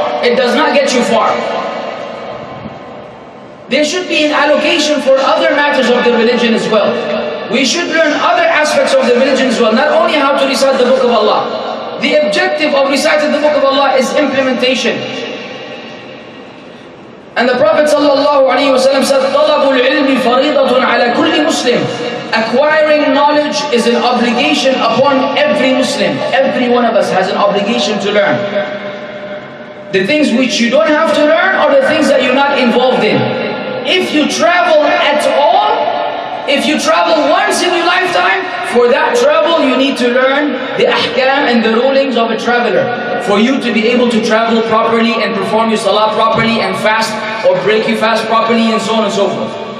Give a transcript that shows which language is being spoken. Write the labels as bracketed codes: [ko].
[en] It does not get you far. There should be an allocation for other matters of the religion as well. We should learn other aspects of the religion as well, not only how to recite the Book of Allah. The objective of reciting the Book of Allah is implementation. And the Prophet ﷺ said, [ar] طَلَبُ الْعِلْمِ فَرِيضَةٌ عَلَى كُلِّ مُسْلِمٍ. [en] Acquiring knowledge is an obligation upon every Muslim. Every one of us has an obligation to learn. The things which you don't have to learn are the things that you're not involved in. If you travel at all, if you travel once in your lifetime, for that travel you need to learn the ahkam and the rulings of a traveler for you to be able to travel properly and perform your salah properly and fast or break your fast properly and so on and so forth.